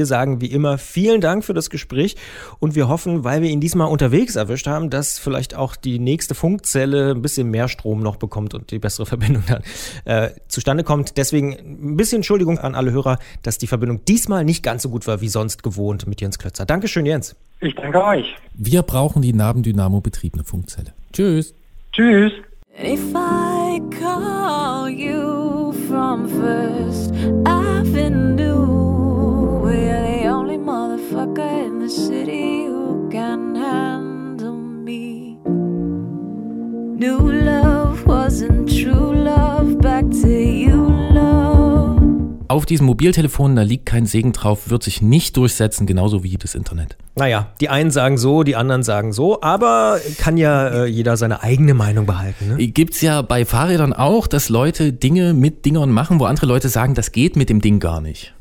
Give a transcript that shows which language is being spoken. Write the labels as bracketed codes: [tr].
[de] Wir sagen wie immer vielen Dank für das Gespräch und wir hoffen, weil wir ihn diesmal unterwegs erwischt haben, dass vielleicht auch die nächste Funkzelle ein bisschen mehr Strom noch bekommt und die bessere Verbindung dann zustande kommt. Deswegen ein bisschen Entschuldigung an alle Hörer, dass die Verbindung diesmal nicht ganz so gut war wie sonst gewohnt mit Jens Klötzer. Dankeschön, Jens. Ich danke euch. Wir brauchen die Nabendynamo betriebene Funkzelle. Tschüss. Tschüss. [en] If I call you from First Avenue, we're the only motherfucker in the city who can handle me. New love wasn't true love, back to you love. [de] Auf diesem Mobiltelefon, da liegt kein Segen drauf, wird sich nicht durchsetzen, genauso wie das Internet. Naja, die einen sagen so, die anderen sagen so, aber kann ja jeder seine eigene Meinung behalten. Ne? Gibt's ja bei Fahrrädern auch, dass Leute Dinge mit Dingern machen, wo andere Leute sagen, das geht mit dem Ding gar nicht.